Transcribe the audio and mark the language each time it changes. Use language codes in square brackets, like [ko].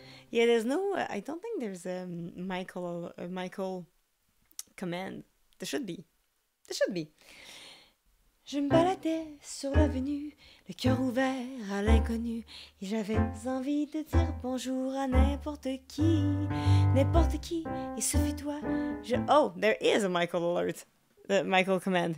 [en] Yeah, there's no, I don't think there's a Michael command. There should be. [fr] Je me baladais sur l'avenue, le cœur ouvert à l'inconnu, et j'avais envie de dire bonjour à n'importe qui, et ce fut toi. Je... [en] Oh, there is a Michael alert, the Michael command.